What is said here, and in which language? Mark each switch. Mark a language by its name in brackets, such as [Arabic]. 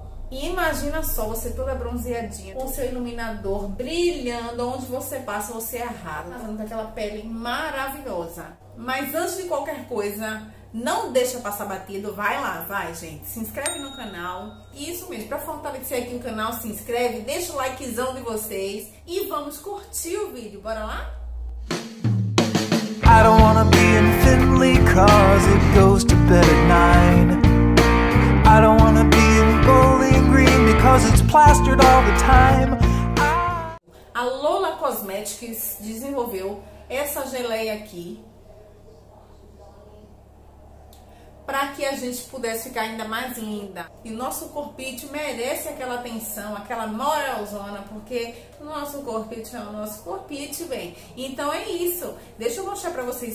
[Portuguese] Imagina só, você toda bronzeadinha, com seu iluminador brilhando, onde você passa, você arrasa, fazendo aquela pele maravilhosa. Mas antes de qualquer coisa, não deixa passar batido, vai lá, vai, gente, se inscreve no canal. Isso mesmo, pra fortalecer aqui o canal, se inscreve, deixa o likezão de vocês e vamos curtir o vídeo, bora lá? [English] I don't wanna be infinitely cause it goes to bed at nine. I don't wanna be in bowling green because it's plastered all the time. [Portuguese] A Lola Cosmetics desenvolveu essa geleia aqui para que a gente pudesse ficar ainda mais linda. E nosso corpite merece aquela atenção, aquela moralzona, porque nosso corpite é o nosso corpite, bem. Então é isso. Deixa eu mostrar para vocês.